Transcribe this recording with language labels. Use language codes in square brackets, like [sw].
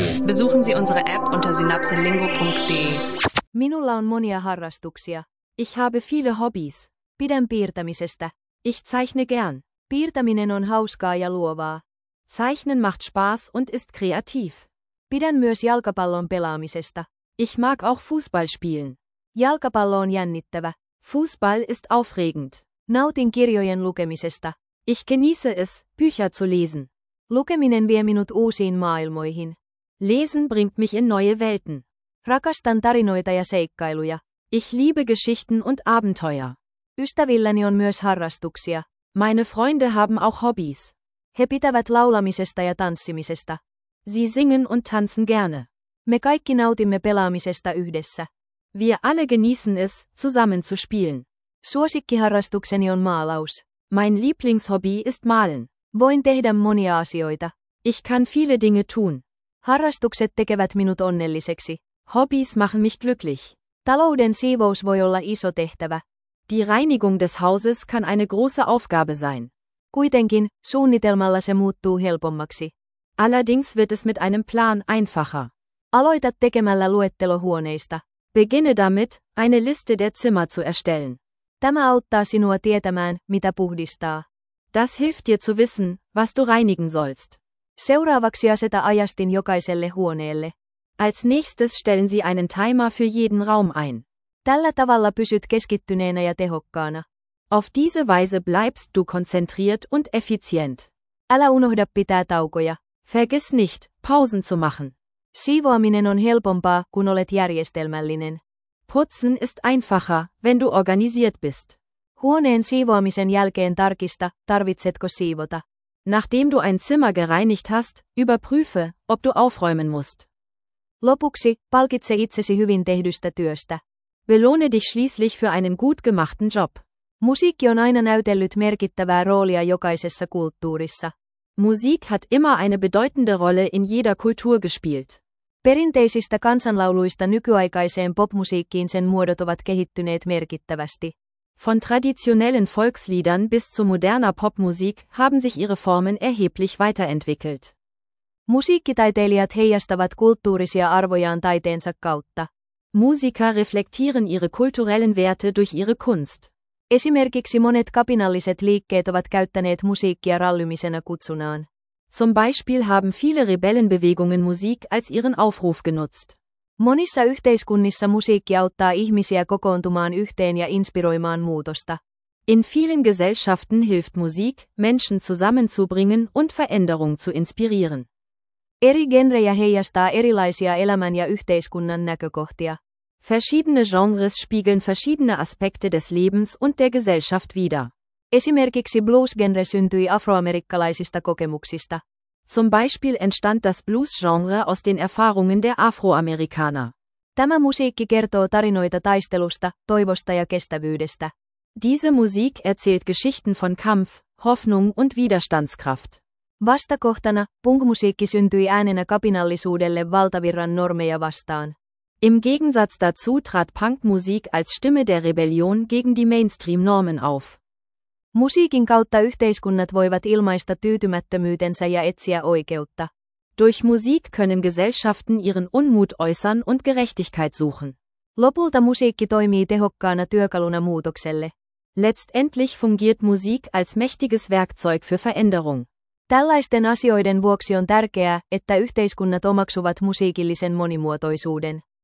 [de] Besuchen Sie unsere App unter synapselingo.de. [fi] Minulla on monia harrastuksia. [de] Ich habe viele Hobbys. [fi] Pidän piirtämisestä. [de] Ich zeichne gern. [fi] Piirtäminen on hauskaa ja luovaa. [de] Zeichnen macht Spaß und ist kreativ. [fi] Pidän myös jalkapallon pelaamisesta. [de] Ich mag auch Fußball spielen. [fi] Jalkapallo on jännittävä. [de] Fußball ist aufregend. [fi] Nautin kirjojen lukemisesta. [de] Ich genieße es, Bücher zu lesen. [fi] Lukeminen vie minut uusiin maailmoihin. [de] Lesen bringt mich in neue Welten. [fi] Rakastan tarinoita ja seikkailuja. [de] Ich liebe Geschichten und Abenteuer. [fi] Ystävilläni on myös harrastuksia. [de] Meine Freunde haben auch Hobbys. [fi] He pitävät laulamisesta ja tanssimisesta. [de] Sie singen und tanzen gerne. [fi] Me kaikki nautimme pelaamisesta yhdessä. [de] Wir alle genießen es, zusammen zu spielen. [fi] Suosikkiharrastukseni on maalaus. [de] Mein Lieblingshobby ist malen. [fi] Voin tehdä monia asioita. [de] Ich kann viele Dinge tun. [fi] Harrastukset tekevät minut onnelliseksi. [de] Hobbys machen mich glücklich. [fi] Talouden siivous voi olla iso tehtävä. [de] Die Reinigung des Hauses kann eine große Aufgabe sein. [fi] Kuitenkin, suunnitelmalla se muuttuu helpommaksi. [de] Allerdings wird es mit einem Plan einfacher. [fi] Aloita tekemällä luettelo huoneista. [de] Beginne damit, eine Liste der Zimmer zu erstellen. [fi] Tämä auttaa sinua tietämään, mitä puhdistaa. [de] Das hilft dir zu wissen, was du reinigen sollst. [fi] Seuraavaksi aseta ajastin jokaiselle huoneelle. [de] Als nächstes stellen Sie einen Timer für jeden Raum ein. [fi] Tällä tavalla pysyt keskittyneenä ja tehokkaana. [de] Auf diese Weise bleibst du konzentriert und effizient. [fi] Älä unohda pitää taukoja. [de] Vergiss nicht, Pausen zu machen. [fi] Siivoaminen on helpompaa, kun olet järjestelmällinen. [de] Putzen ist einfacher, wenn du organisiert bist. [fi] Huoneen siivoamisen jälkeen tarkista, tarvitsetko siivota. [de] Nachdem du ein Zimmer gereinigt hast, überprüfe, ob du aufräumen musst. [fi] Lopuksi, palkitse itsesi hyvin tehdystä työstä. [de] Belohne dich schließlich für einen gut gemachten Job. [fi] Musiikki on aina näytellyt merkittävää roolia jokaisessa kulttuurissa. [de] Musik hat immer eine bedeutende Rolle in jeder Kultur gespielt. [fi] Perinteisistä kansanlauluista nykyaikaiseen popmusiikkiin sen muodot ovat kehittyneet merkittävästi. [de] Von traditionellen Volksliedern bis zu moderner Popmusik haben sich ihre Formen erheblich weiterentwickelt. [fi] Musiikkitaiteilijat heijastavat kulttuurisia arvojaan taiteensa kautta. [de] Musiker reflektieren ihre kulturellen Werte durch ihre Kunst. [fi] Esimerkiksi monet kapinalliset liikkeet ovat käyttäneet musiikkia rallymisenä kutsunaan. [de] Zum Beispiel haben viele Rebellenbewegungen Musik als ihren Aufruf genutzt. [fi] Monissa yhteiskunnissa musiikki auttaa ihmisiä kokoontumaan yhteen ja inspiroimaan muutosta. [de] In vielen Gesellschaften hilft Musik, Menschen zusammenzubringen und Veränderung zu inspirieren. [fi] Eri genrejä heijastaa erilaisia elämän ja yhteiskunnan näkökohtia. [de] Verschiedene Genres spiegeln verschiedene Aspekte des Lebens und der Gesellschaft wider. [fi] Esimerkiksi Blues-genre syntyi afroamerikkalaisista kokemuksista. [de] Zum Beispiel entstand das Blues-Genre aus den Erfahrungen der Afroamerikaner. [fi] Tämä musiikki kertoo tarinoita taistelusta, toivosta ja kestävyydestä. [de] Diese Musik erzählt Geschichten von Kampf, Hoffnung und Widerstandskraft. [fi] Vastakohtana, punkmusiikki syntyi äänenä kapinallisuudelle valtavirran normeja vastaan. [de] Im Gegensatz dazu trat Punkmusik als Stimme der Rebellion gegen die Mainstream-Normen auf. [fi] Musiikin kautta yhteiskunnat voivat ilmaista tyytymättömyytensä ja etsiä oikeutta. [de] Durch Musik können Gesellschaften ihren Unmut äußern und Gerechtigkeit suchen. [fi] Lopulta musiikki toimii tehokkaana työkaluna muutokselle. [de] Letztendlich fungiert Musik als mächtiges Werkzeug für Veränderung. [fi] Tällaisten asioiden vuoksi on tärkeää, että yhteiskunnat omaksuvat musiikillisen monimuotoisuuden.